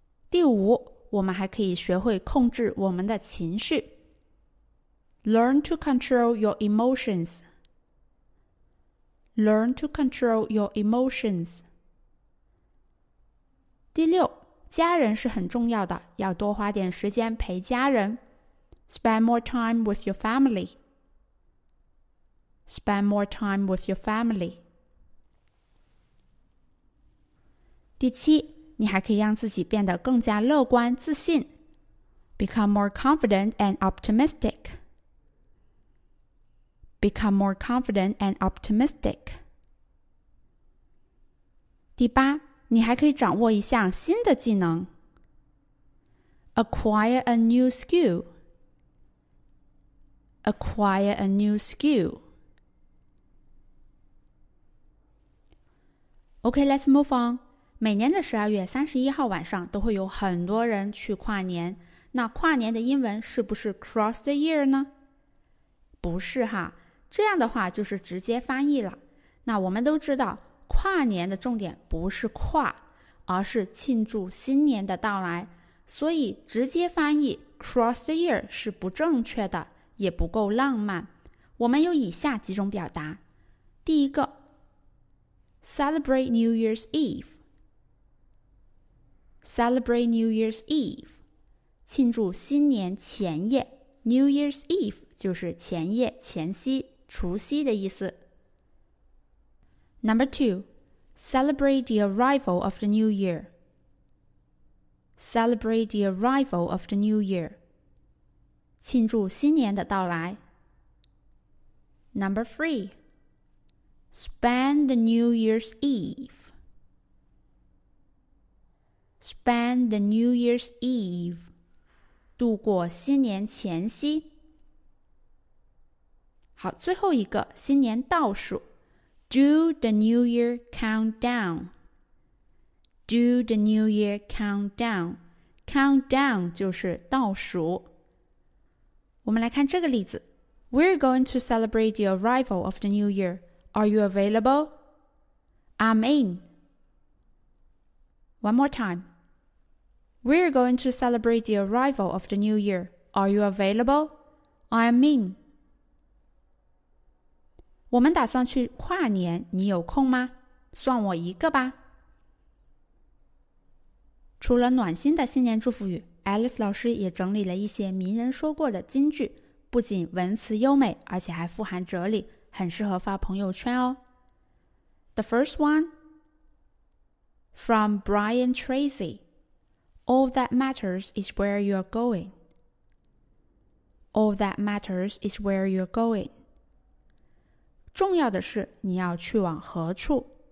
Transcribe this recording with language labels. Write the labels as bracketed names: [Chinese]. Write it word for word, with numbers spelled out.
[Chinese] 第五，我们还可以学会控制我们的情绪。 [English] Learn to control your emotions. Learn to control your emotions. [Chinese] 第六，家人是很重要的，要多花点时间陪家人。 [English] Spend more time with your family. Spend more time with your family. [Chinese] 第七，你还可以让自己变得更加乐观自信。 [English] Become more confident and optimistic. Become more confident and optimistic. [Chinese] 第八，你还可以掌握一项新的技能。 [English] Acquire a new skill. Acquire a new skill. Okay, let's move on. [Chinese] 每年的十二月三十一号晚上都会有很多人去跨年，那跨年的英文是不是 [English] cross the year [Chinese] 呢？不是哈，这样的话就是直接翻译了。那我们都知道，跨年的重点不是跨，而是庆祝新年的到来，所以直接翻译 [English] cross the year [Chinese] 是不正确的，也不够浪漫。我们有以下几种表达。第一个 [English] ，celebrate New Year's Eve。 Celebrate New Year's Eve. [Chinese] 庆祝新年前夜 [English] New Year's Eve [Chinese] 就是前夜前夕除夕的意思。 [English] Number two, celebrate the arrival of the new year. Celebrate the arrival of the new year. [Chinese] 庆祝新年的到来。 [English] Number three, spend the New Year's Eve. Spend the New Year's Eve. [Chinese] 度过新年前夕。好，最后一个新年倒数。 [English] Do the New Year countdown. Do the New Year countdown. [Chinese] Countdown 就是倒数。我们来看这个例子。 [English] We're going to celebrate the arrival of the New Year. Are you available? I'm in. One more time. We're going to celebrate the arrival of the new year. Are you available? I'm in. [Chinese] 我们打算去跨年，你有空吗？算我一个吧。除了暖心的新年祝福语 ，Alice 老师也整理了一些名人说过的金句，不仅文词优美，而且还富含哲理，很适合发朋友圈哦。 [English] The first one, from Brian Tracy. All that matters is where you are going. All that matters is where you are going. [Chinese] 重要的是你要去往何处。